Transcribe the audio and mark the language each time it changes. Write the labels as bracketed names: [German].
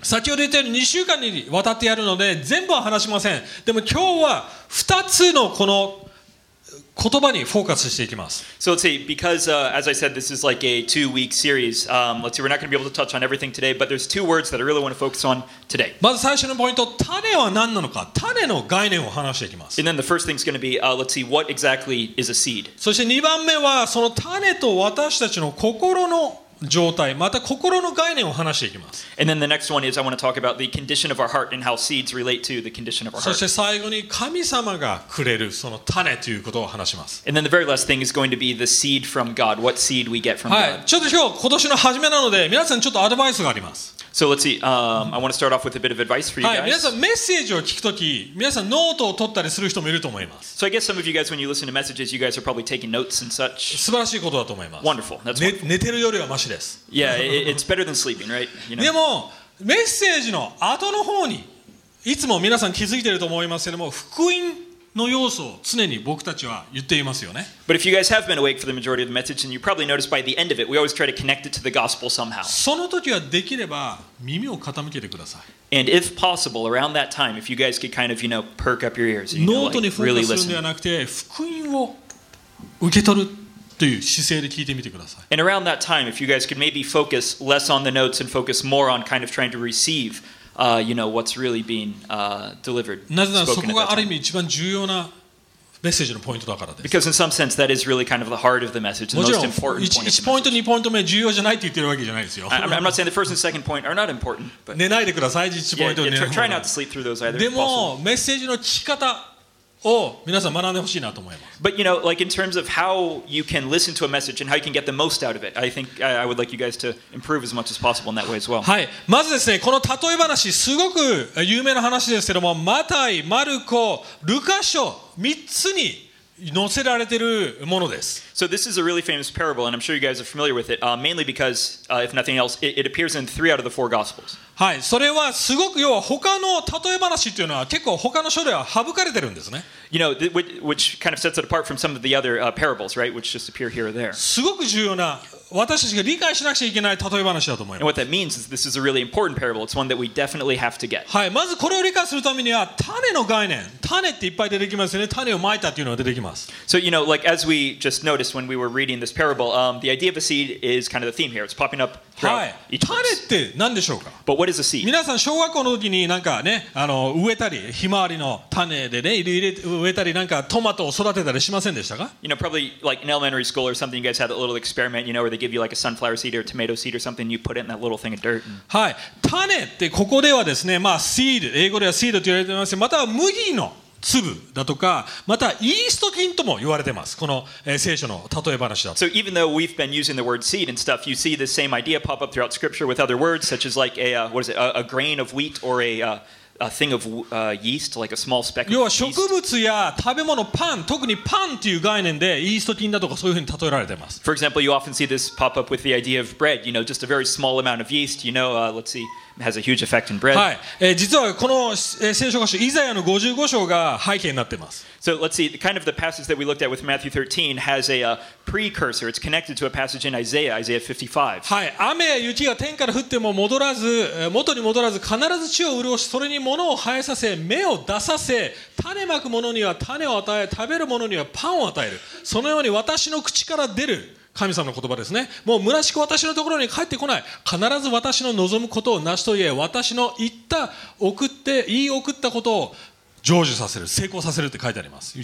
[Japanese] 先ほど言ったように2週間にわたってやるので全部は話しません。でも今日は2つのこの言葉にフォーカスしていきます。 [English] So let's see, because, as I said, this is like a two-week series, let's see, we're not going to be able to touch on everything today, but there's two words that I really want to focus on today. [Japanese] まず最初のポイント、種は何なのか、種の概念を話していきます。 [English] And then the first thing is going to be, let's see, what exactly is a seed? [Japanese] そして2番目は、その種と私たちの心の状態、また心の概念を話していきます。 [English] And then the next one is, I want to talk about the condition of our heart and how seeds relate to the condition of our heart. [Japanese] そして最後に神様がくれるその種ということを話します。 [English] And then the very last thing is going to be the seed from God, what seed we get from God. [Japanese] はい、ちょっと今日、今年の初めなので、皆さんちょっとアドバイスがあります。 [English] So let's see, I want to start off with a bit of advice for you guys. [Japanese] はい、皆さんメッセージを聞くとき、皆さんノートを取ったりする人もいると思います。 [English] So I guess some of you guys, when you listen to messages, you guys are probably taking notes and such. [Japanese] 素晴らしいことだと思います。 [English] Wonderful. That's wonderful. [Japanese] 寝てるよりはマシです。 [English] Yeah, it's better than sleeping, right? You know? [Japanese] でも、メッセージの後の方に、いつも皆さん気づいてると思いますけども、福音の要素を常に僕たちは言っていますよね。 [English] But if you guys have been awake for the majority of the message, then you probably noticed by the end of it, we always try to connect it to the gospel somehow. [Japanese] その時はできれば耳を傾けてください。 [English] And if possible, around that time, if you guys could kind of, you know, perk up your ears, you know, like, really listen. [Japanese] ノートにフォーカスするんではなくて、福音を受け取るという姿勢で聞いてみてください。 [English] And around that time, if you guys could maybe focus less on the notes and focus more on kind of trying to receive, you know, what's really being delivered. [Japanese] なぜならそこがある意味一番重要なメッセージのポイントだからです。 [English] Because in some sense, that is really kind of the heart of the message, the most important point. [Japanese] もちろん、1ポイント、2ポイント目重要じゃないって言ってるわけじゃないですよ。 [English] I'm not saying the first and second point are not important. But [Japanese] 寝ないでください、1ポイント目。 [English] Yeah, try not to sleep through those either. [Japanese] でも、メッセージの聞き方を皆さん学んでほしいなと思います。 [English] But you know, like in terms of how you can listen to a message and how you can get the most out of it, I think I would like you guys to improve as much as possible in that way as well. [Japanese] はい、まずですね、この例え話、すごく有名な話ですけども、マタイ、マルコ、ルカ書、3つに載せられているものです。 [English] So this is a really famous parable, and I'm sure you guys are familiar with it, mainly because, if nothing else, it appears in 3 out of the 4 Gospels. [Japanese] はい、それはすごく、要は他の例え話というのは結構他の書では省かれてるんですね。 [English] You know, which kind of sets it apart from some of the other parables, right, which just appear here or there. [Japanese] すごく重要な、私たちが理解しなくちゃいけない例え話だと思います。 [English] And what that means is this is a really important parable. It's one that we definitely have to get. [Japanese] はい、まずこれを理解するためには、種の概念、種っていっぱい出てきますよね。種をまいたっていうのが出てきます。 [English] So, you know, like as we just noticed,when we were reading this parable, the idea of a seed is kind of the theme here. It's popping up throughout each verse. [Japanese] 種って何でしょうか? [English] But what is a seed? [Japanese] 皆さん小学校の時になんかね、植えたり、ひまわりの種でね、植えたりなんかトマトを育てたりしませんでしたか? [English] You know, probably like in elementary school or something, you guys had a little experiment, you know, where they give you like a sunflower seed or a tomato seed or something, you put it in that little thing of dirt. [Japanese] はい。種ってここではですね、まあ seed、英語ではseedと言われてますよ。または麦の粒だとか、またイースト菌とも言われてます。この聖書の例え話だと。 [English] So even though we've been using the word seed and stuff, you see the same idea pop up throughout scripture with other words, such as like a grain of wheat or a thing of yeast, like a small speck of yeast. [Japanese] 要は植物や食べ物、パン、特にパンという概念でイースト菌だとかそういうふうに例えられてます。 [English] For example, you often see this pop up with the idea of bread, you know, just a very small amount of yeast, you know, let's see. Has a huge effect in bread. [Japanese] はい、実はこの聖書箇所、イザヤの55章が背景になっています。 [English] So let's see, kind of the passage that we looked at with Matthew 13 has a precursor. It's connected to a passage in Isaiah, Isaiah 55. [Japanese] はい、雨や雪が天から降っても戻らず、元に戻らず、必ず地を潤し、それに物を生えさせ、芽を出させ、種まく者には種を与え、食べる者にはパンを与える。そのように私の口から出る。神様の言葉ですね。もう虚しく私のところに帰ってこない。必ず私の望むことを成し遂げ、私の言い送ったことを成就させる、成功させるって書いてあります。